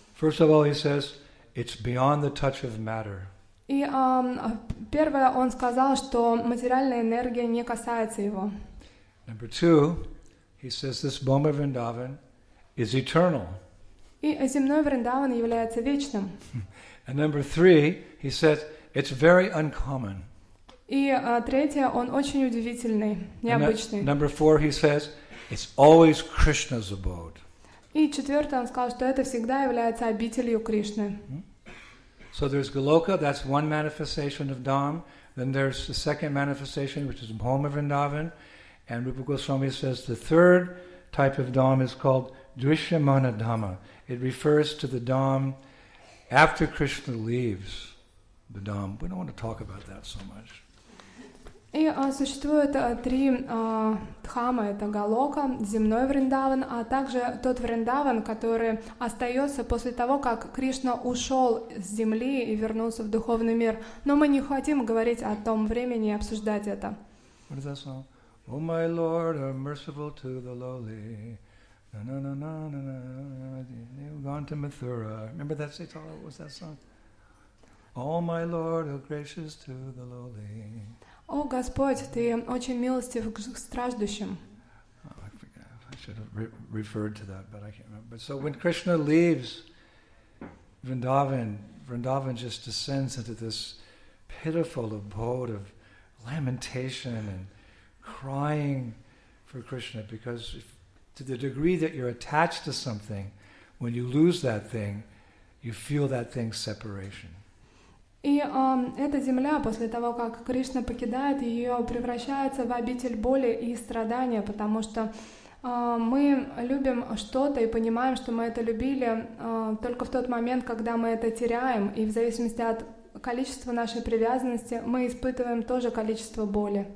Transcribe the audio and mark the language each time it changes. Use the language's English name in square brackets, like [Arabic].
[English] First of all, he says, it's beyond the touch of matter. [Russian] И первое, он сказал, что материальная энергия не касается его. [English] Number two, he says, this Bhoma Vrindavan is eternal. [Russian] И земной Вриндаван является вечным. [English] And number three, he says, it's very uncommon. [Russian] И третье, он очень удивительный, необычный. [English] Number four, he says, it's always Krishna's abode. [Russian] И четвертое, он сказал, что это всегда является обителью Кришны. [English] So there's Goloka, that's one manifestation of Dham. Then there's the second manifestation, which is Bhoma Vrindavan. And Rupa Goswami says the third type of Dham is called Drishyamana Dhamma. It refers to the Dham after Krishna leaves the Dham. We don't want to talk about that so much. [Russian] И существует три дхамы. Это Голока, земной Вриндаван, а также тот Вриндаван, который остается после того, как Кришна ушел с земли и вернулся в духовный мир. Но мы не хотим говорить о том времени и обсуждать это. [English] What is that song? Oh, my Lord, are merciful to the lowly. No, you've gone to Mathura. Remember that song? What was that song? All my Lord, how gracious to the lowly. [Russian] О, Господь, ты очень милостив к страждущим. [English] I should have referred to that, but I can't remember. But so when Krishna leaves Vrindavan, Vrindavan just descends into this pitiful abode of lamentation and crying for Krishna, because if, to the degree that you're attached to something, when you lose that thing, you feel that thing's separation. [Russian] И эта земля, после того, как Кришна покидает ее, превращается в обитель боли и страдания, потому что мы любим что-то и понимаем, что мы это любили только в тот момент, когда мы это теряем, и в зависимости от количества нашей привязанности мы испытываем тоже количество боли.